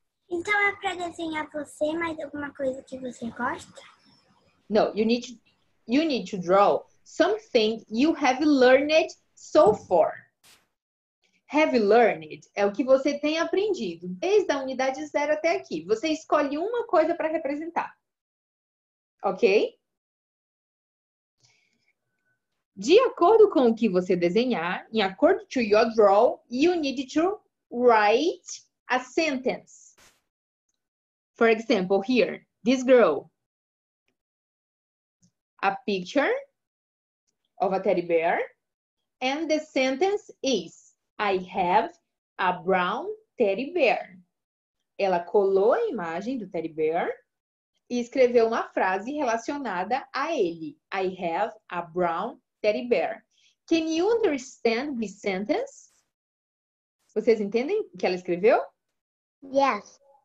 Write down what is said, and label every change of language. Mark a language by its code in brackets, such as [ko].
[pt] Então é para desenhar você mais alguma coisa que você gosta? [en] No, you need to draw something you have learned so far. Have learned [pt] é o que você tem aprendido desde a unidade zero até aqui. Você escolhe uma coisa para representar. Ok? De acordo com o que você desenhar, [en] in accord to your draw, you need to write a sentence. For example, here, this girl. A picture of a teddy bear. And the sentence is, I have a brown teddy bear. [pt] Ela colou a imagem do teddy bear e escreveu uma frase relacionada a ele. [en] I have a brown teddy bear. Can you understand this sentence? [pt] Vocês entendem o que ela escreveu? [en] Yes.